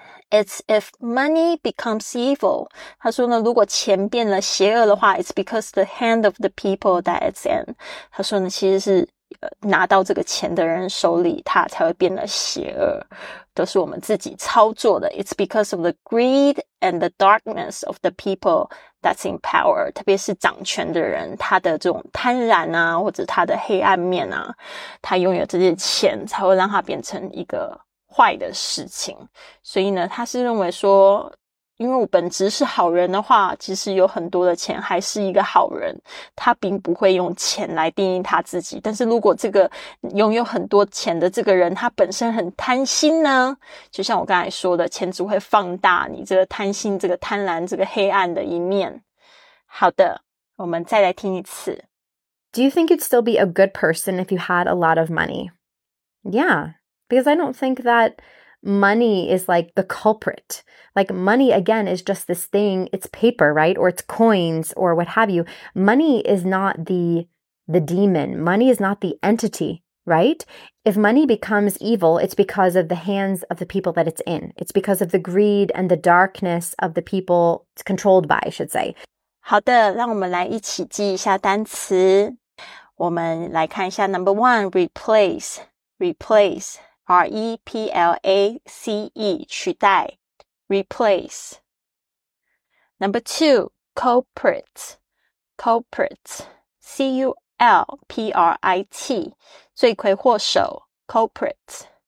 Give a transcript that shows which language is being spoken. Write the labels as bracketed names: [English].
[English] It's if money becomes evil. [Chinese] 他说呢，如果钱变了邪恶的话 [English] ，it's because the hand of the people that it's in. [Chinese] 他说呢，其实是、拿到这个钱的人手里，他才会变了邪恶，都是我们自己操作的。 [English] It's because of the greed and the darkness of the people that's in power. [Chinese] 特别是掌权的人，他的这种贪婪啊，或者他的黑暗面啊，他拥有这些钱，才会让他变成一个坏的事情。所以呢，他是认为说，因为我本质是好人的话，其实有很多的钱还是一个好人，他并不会用钱来定义他自己。但是如果这个拥有很多钱的这个人他本身很贪心呢，就像我刚才说的，钱只会放大你这个贪心，这个贪婪，这个黑暗的一面。好的，我们再来听一次。 [English] Do you think you'd still be a good person if you had a lot of money? Yeah. Because I don't think that money is like the culprit. Like money, again, is just this thing. It's paper, right? Or it's coins or what have you. Money is not the demon. Money is not the entity, right? If money becomes evil, it's because of the hands of the people that it's in. It's because of the greed and the darkness of the people it's controlled by, I should say. [Chinese] 好的，让我们来一起记一下单词。我们来看一下 [English] number one, replace. Replace, R-E-P-L-A-C-E, 取代 replace. Number two, culprit, culprit, C-U-L-P-R-I-T, 罪魁祸首 culprit.